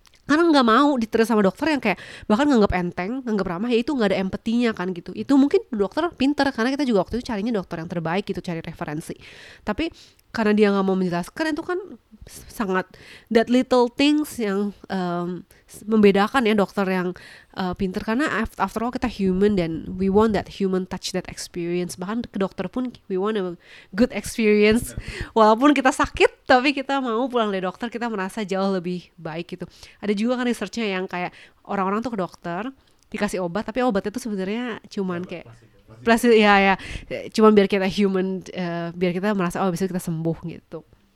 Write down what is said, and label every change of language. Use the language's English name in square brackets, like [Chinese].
[Indonesian] Karena nggak mau diterus sama dokter yang kayak bahkan nganggap enteng, nganggap ramah, ya itu nggak ada empatinya kan gitu. Itu mungkin dokter pinter, karena kita juga waktu itu carinya dokter yang terbaik gitu, cari referensi. Tapi karena dia nggak mau menjelaskan, itu kan sangat [English] that little things [Indonesian] yang membedakan ya dokter yang pinter. [English] Karena after all kita human, dan we want that human touch, that experience. [Indonesian] Bahkan ke dokter pun [English] we want a good experience. [Indonesian] Walaupun kita sakit, tapi kita mau pulang dari dokter, kita merasa jauh lebih baik gitu. Ada juga kan researchnya yang kayak orang-orang tuh ke dokter, dikasih obat, tapi obatnya tuh sebenarnya cuman kayak plastik. Ya, cuman biar kita human, biar kita merasa, oh abis itu kita sembuh gitu.